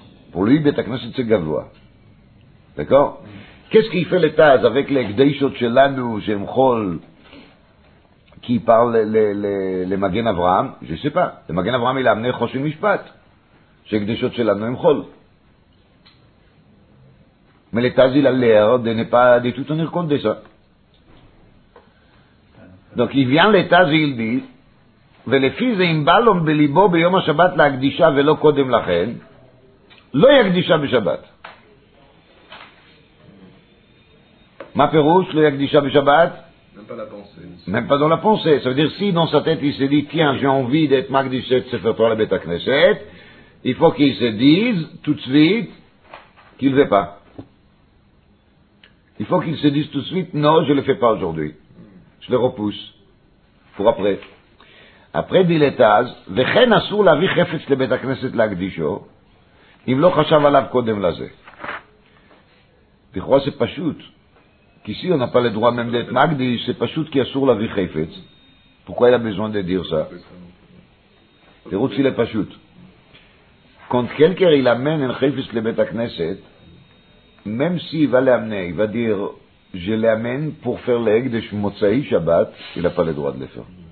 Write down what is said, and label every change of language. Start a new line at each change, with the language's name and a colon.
French: Pour lui, Betakneset, c'est Gavua. D'accord? Qu'est-ce qu'il fait l'état avec les Gdeishot Shelanu, Shemchol, qui parle les Magen Avraham? Je ne sais pas. Le Magen Avraham, il a amené Choshen Mishpat. C'est Gdeishot Shelanu, Shemchol. Mais l'état, il a l'air de ne pas du tout tenir compte de ça. Donc, il vient l'état, il dit.
Hebrew: ולפי זה אם בלום בליבו ביום השבת להקדישה ולא קודם לכן, לא יקדישה בשבת. מה פירוש לא יקדישה בשבת?
French: Même pas dans la pensée. Ça veut dire, si dans sa tête il se dit, tiens, j'ai envie d'être
Hebrew: מקדישה את ספר תורה לבית הכנסת,
French: il faut qu'il se dise tout de suite qu'il ne veut pas. Il faut qu'il se dise tout de suite, non, je ne le fais pas aujourd'hui. Je le repousse. Pour après. Après dit l'état,
Hebrew: וכן אסור להביא חפץ לבית הכנסת להקדישו, אם לא חשב עליו קודם לזה. לכאורה c'est פשוט.
French: כי si on n'a pas le droit même d'être מקדיש, c'est פשוט
Hebrew: כי אסור להביא חפץ.
French: Pourquoi il a besoin de dire ça? תירוץ il est פשוט. Quand quelqu'un il amène un
Hebrew: חפץ לבית הכנסת,
French: même si il va l'amener, il va dire, je l'amène pour faire
Hebrew: להקדש מוצאי שבת,
French: il n'a pas le droit de le faire.